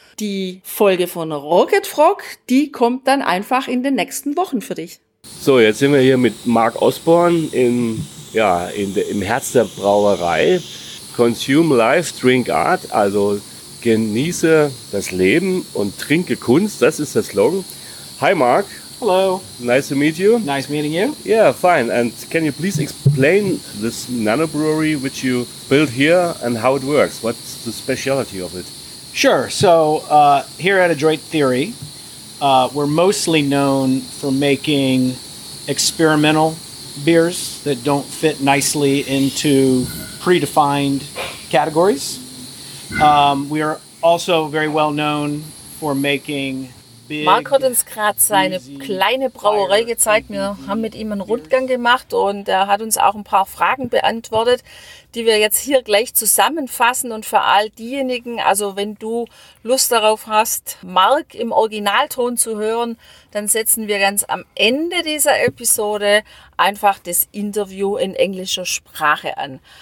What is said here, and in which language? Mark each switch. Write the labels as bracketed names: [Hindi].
[German] Die Folge von Rocket Frog, die kommt dann einfach in den nächsten Wochen für dich. So, jetzt sind wir hier mit Marc Osborne im Herz der Brauerei. [English] Consume Life, Drink Art, [German] also genieße das Leben und trinke Kunst, das ist der Slogan. [English] Hi Marc. Hello. Nice to meet you. Nice meeting you. Yeah, fine. And can you please explain this nano brewery which you built here and how it works? What's the specialty of it? Sure. So here at Adroit Theory, we're mostly known for making experimental beers that don't fit nicely into predefined categories. We are also very well known for making big. [German] Marc hat uns gerade seine kleine Brauerei gezeigt. Wir haben mit ihm einen Rundgang gemacht und er hat uns auch ein paar Fragen beantwortet, die wir jetzt hier gleich zusammenfassen und für all diejenigen, also wenn du Lust darauf hast, Marc im Originalton zu hören, dann setzen wir ganz am Ende dieser Episode einfach das Interview in englischer Sprache an.